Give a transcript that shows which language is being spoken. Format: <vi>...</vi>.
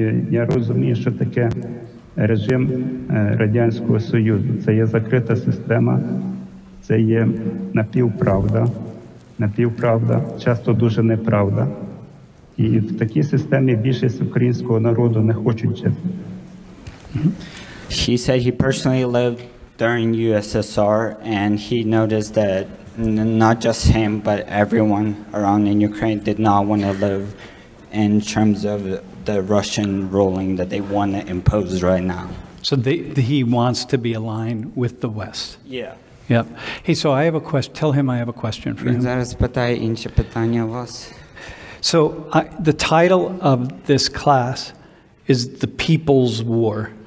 <uk>Я розумію, що таке режим Радянського Союзу. Це є закрита система, це є напівправда, напівправда, часто дуже неправда. І в такій системі більшість українського народу не хочуть жити.</uk> <en>He said he personally lived during USSR, and he noticed that not just him, but everyone around in Ukraine did not want to live in terms of the Russian ruling that they want to impose right now. So he wants to be aligned with the West. Yeah. Yep. Hey, so I have a question. Tell him I have a question for him.</en> <uk>Він зараз питає інше питання у вас.</uk> <en>So the title of this class is The People's War.</en>